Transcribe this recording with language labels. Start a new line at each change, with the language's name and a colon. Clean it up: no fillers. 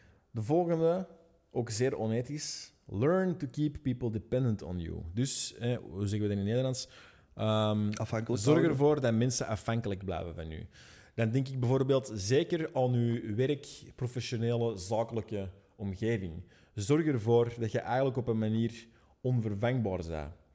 Dutch: De volgende, ook zeer onethisch.
English: Learn to keep people dependent on you.
Dutch: Dus, hoe zeggen we dat in het Nederlands? Afhankelijk. Zorg ervoor dat mensen afhankelijk blijven van u. Dan denk ik bijvoorbeeld zeker aan uw werk, professionele, zakelijke omgeving. Zorg ervoor dat je eigenlijk op een manier onvervangbaar bent.